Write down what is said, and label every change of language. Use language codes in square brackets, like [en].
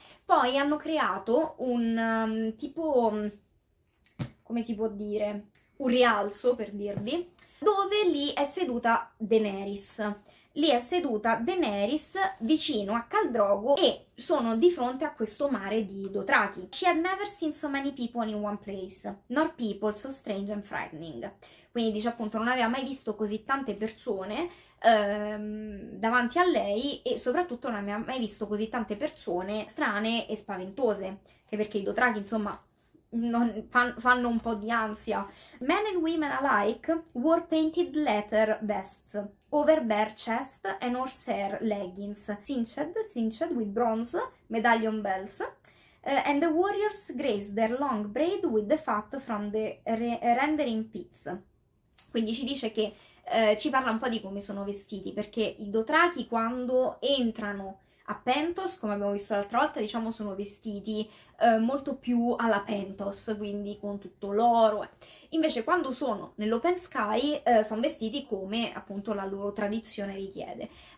[it] Poi hanno creato un tipo, come si può dire, un rialzo per dirvi, dove lì è seduta Daenerys. Lì è seduta Daenerys vicino a Khal Drogo e sono di fronte a questo mare di Dothraki. [en] She had never seen so many people in one place, nor people so strange and frightening. [it] Quindi dice appunto non aveva mai visto così tante persone davanti a lei, e soprattutto non aveva mai visto così tante persone strane e spaventose, che perché i Dothraki insomma fanno un po' di ansia. [en] Men and women alike wore painted leather vests over bare chest and horsehair leggings cinched with bronze medallion bells, and the warriors graced their long braid with the fat from the rendering pits. [it] Quindi ci dice che ci parla un po' di come sono vestiti, perché i Dothraki quando entrano a Pentos, come abbiamo visto l'altra volta, diciamo sono vestiti molto più alla Pentos, quindi con tutto l'oro. Invece quando sono nell'Open Sky sono vestiti come appunto la loro tradizione richiede.